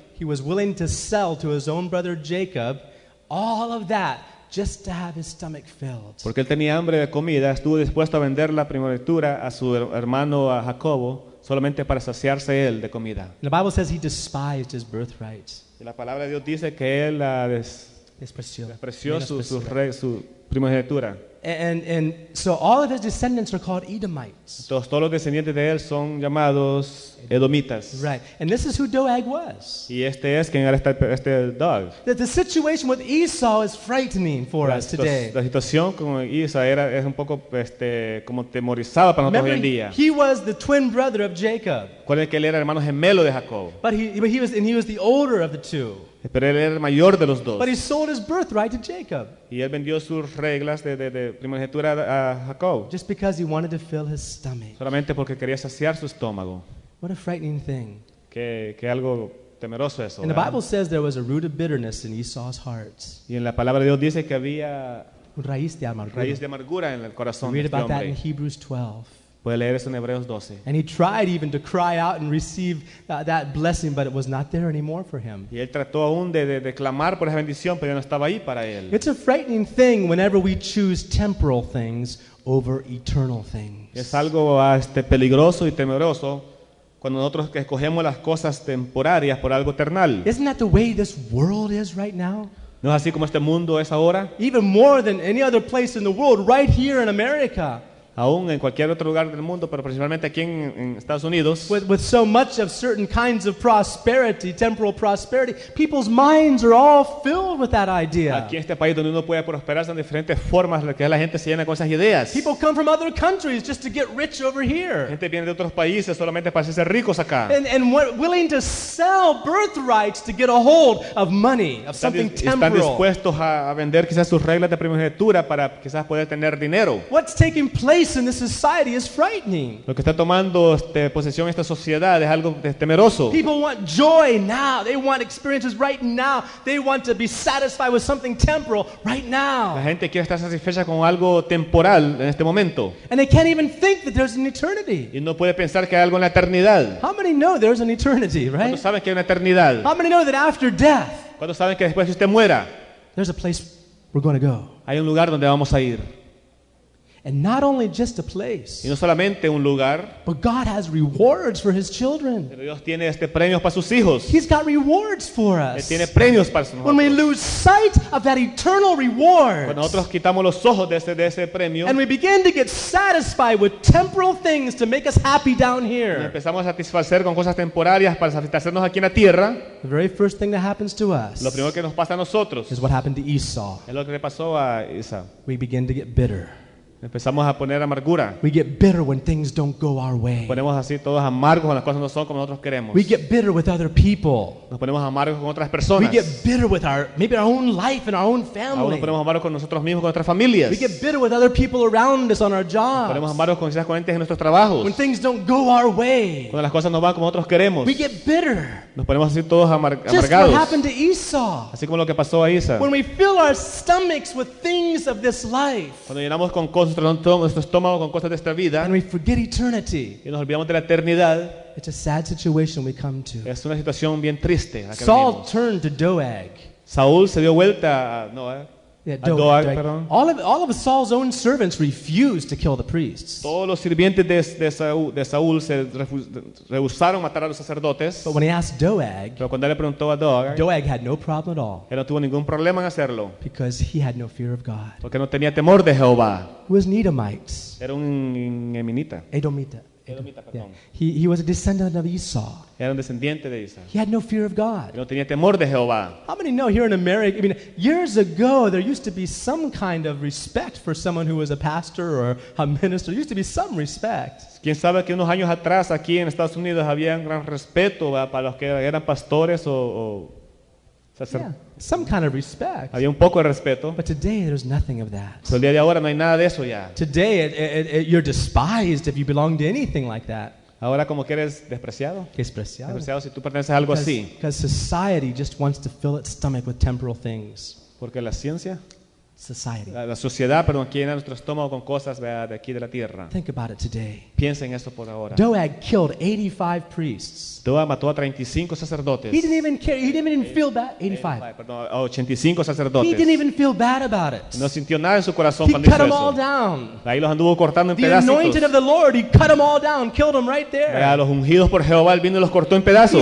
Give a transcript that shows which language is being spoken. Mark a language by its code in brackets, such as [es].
[en] he was willing to sell to his own brother Jacob all of that just to have his stomach filled. [es] Porque él tenía hambre de comida, estuvo dispuesto a vender la primogenitura a su hermano a Jacobo, solamente para saciarse él de comida. [en] The Bible says he despised his birthright. [es] Y la palabra de Dios dice que él despreció su primogenitura. [en] And so all of his descendants are called Edomites. [es] Todos los descendientes de él son llamados Edomitas. [en] Right. And this is who Doeg was. [es] Y este es quien era este Doeg. [en] The situation with Esau is frightening for us today. [es] La situación con Esau es un poco como temorizada para nosotros hoy en día. [en] He was the twin brother of Jacob. [es] ¿Cuál es que él era hermano gemelo de Jacob? [en] But he was the older of the two. [es] Pero él era el mayor de los dos. [en] But he sold his birthright to Jacob. [es] Y él vendió sus reglas de primogenitura a Jacob. [en] Just because he wanted to fill his stomach. [es] Solamente porque quería saciar su estómago. [en] What a frightening thing. [es] Que algo temeroso eso. [en] And the Bible says there was a root of bitterness in Esau's heart. [es] Y en la palabra de Dios dice que había un raíz de amargura en el corazón de este hombre. [en] Read about that in Hebrews 12. [es] Puede leer eso en Hebreos 12. [en] And he tried even to cry out and receive that blessing, but it was not there anymore for him. [es] Y él trató aún de clamar por esa bendición, pero ya no estaba ahí para él. [en] It's a frightening thing whenever we choose temporal things over eternal things. [es] Es algo peligroso y temeroso cuando nosotros que escogemos las cosas temporarias por algo eternal. [en] Isn't that the way this world is right now? [es] ¿No es así como este mundo es ahora? [en] Even more than any other place in the world, right here in America. [es] Aún en cualquier otro lugar del mundo, pero principalmente aquí en Estados Unidos. [en] With so much of certain kinds of prosperity, temporal prosperity, people's minds are all filled with that idea. [es] Aquí en este país donde uno puede prosperar son diferentes formas en las que la gente se llena con esas ideas. [en] People come from other countries just to get rich over here. [es] Gente viene de otros países solamente para hacerse ricos acá. [en] And what, willing to sell birthrights to get a hold of money, of something temporal. [es] Están dispuestos a vender quizás sus reglas de primogenitura para quizás poder tener dinero. [en] What's taking place in this society is frightening. [es] Lo que está tomando posesión esta sociedad es algo temeroso. [en] People want joy now. They want experiences right now. They want to be satisfied with something temporal right now. [es] La gente quiere estar satisfecha con algo temporal en este momento. [en] And they can't even think that there's an eternity. [es] Y no puede pensar que hay algo en la eternidad. [en] How many know there's an eternity, right? [es] ¿Cuántos saben que hay una eternidad? [en] How many know that after death? [es] ¿Cuántos saben que después de usted muera? [en] There's a place we're going to go. [es] Hay un lugar donde vamos a ir. [en] And not only just a place. [es] Y no solamente un lugar. [en] But God has rewards for his children. [es] Pero Dios tiene este premio para sus hijos. [en] He's got rewards for us. [es] Él tiene premios para nosotros. [en] When we lose sight of that eternal reward. [es] Cuando nosotros quitamos los ojos de ese premio. [en] And we begin to get satisfied with temporal things to make us happy down here. [es] Y empezamos a satisfacer con cosas temporarias para satisfacernos aquí en la tierra. [en] The very first thing that happens to us. [es] Lo primero que nos pasa a nosotros. [en] Is what happened to Esau. [es] Es lo que le pasó a Esau. [en] We begin to get bitter. [es] Empezamos a poner amargura. [en] We get bitter when things don't go our way. [es] Ponemos así todos amargos cuando las cosas no son como nosotros queremos. [en] We get bitter with other people. [es] Nos ponemos amargos con otras personas. [en] We get bitter with our maybe our own life and our own family. [es] Nos ponemos amargos con nosotros mismos con nuestras familias. [en] We get bitter with other people around us on our jobs. [es] Ponemos amargos con ciertas gente en nuestros trabajos. [en] When things don't go our way. [es] Cuando las cosas no van como nosotros queremos. [en] We get bitter. [es] Nos ponemos así todos amargados. [en] Just what happened to Esau. [es] Así como lo que pasó a Esau. [en] When we fill our stomachs with things of this life. [es] Cuando llenamos con cosas nuestro estómago con cosas de esta vida [en] and we forget eternity. [es] Y nos olvidamos de la eternidad. [en] It's a sad situation we come to. [es] Es una situación bien triste. [en] Saul turned to Doeg. [es] Saúl se dio vuelta a Doeg. [en] All of Saul's own servants refused to kill the priests. [es] Todos los sirvientes de Saúl se rehusaron matar a los sacerdotes. [en] But when he asked Doeg, [es] pero cuando él le preguntó a Doeg, [en] Doeg had no problem at all. [es] Él no tuvo ningún problema en hacerlo. [en] Because he had no fear of God. [es] Porque no tenía temor de Jehová. [en] He was an Edomite. [es] Era un Edomita. Edomita. Edomita, yeah. [en] He was a descendant of Esau. [es] Era un descendiente de Esau. [en] He had no fear of God. [es] No tenía temor de Jehová. [en] How many know here in America, I mean, years ago, there used to be some kind of respect for someone who was a pastor or a minister. There used to be some respect. [es] ¿Quién sabe que unos años atrás aquí en Estados Unidos había un gran respeto para los que eran pastores o [en] some kind of respect. [es] Había un poco de respeto. [en] But today there's nothing of that. [es] Pero el día de ahora no hay nada de eso ya. [en] Today you're despised if you belong to anything like that. [es] Ahora como que eres despreciado. Despreciado. Despreciado si tú perteneces a algo así. [en] Because society just wants to fill its stomach with temporal things. [es] Porque la ciencia. [en] Society. [es] La sociedad, perdón, quiere llenar nuestro estómago con cosas de aquí de la tierra. [en] Think about it today. [es] Piensa en esto por ahora. [en] Doeg killed 85 priests. [es] Doeg mató a 35 sacerdotes. [en] He didn't even care. He didn't even feel bad. 85. [es] Perdón, 85 sacerdotes. [en] He didn't even feel bad about it. [es] No sintió nada en su corazón cuando hizo eso. [en] He cut them all down. [es] Ahí los anduvo cortando en pedazos. [en] The anointed of the Lord, he cut them all down, killed them right there. [es] A los ungidos por Jehová, él vino y los cortó en pedazos.